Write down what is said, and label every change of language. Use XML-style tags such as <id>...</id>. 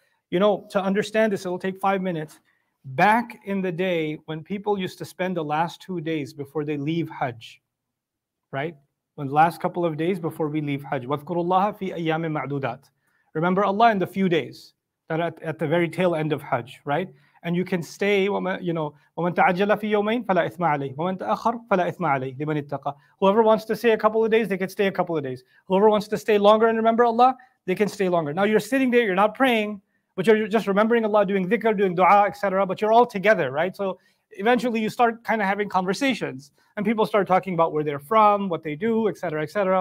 <en>You know, to understand this, it'll take 5 minutes. Back in the day when people used to spend the last 2 days before they leave Hajj, right? When the last couple of days before we leave Hajj.</en> <ar>وَذْكُرُ اللَّهَ فِي أَيَّامٍ مَعْدُودَاتٍ.</ar> <en>Remember Allah in the few days that at the very tail end of Hajj, right? And you can stay, you know,</en> <ar>وَمَنْ تَعَجَّلَ فِي يَوْمَيْنِ فَلَا إِثْمَ عَلَيْهِ وَمَنْ تَأَخَّرَ فَلَا إِثْمَ عَلَيْهِ لِمَنِ اتَّقَى.</ar> <en>Whoever wants to stay a couple of days, they can stay a couple of days. Whoever wants to stay longer and remember Allah, they can stay longer. Now you're sitting there, you're not praying, but you're just remembering Allah, doing dhikr, doing dua, etc. But you're all together, right? So eventually you start kind of having conversations and people start talking about where they're from, what they do, etc., etc.</en>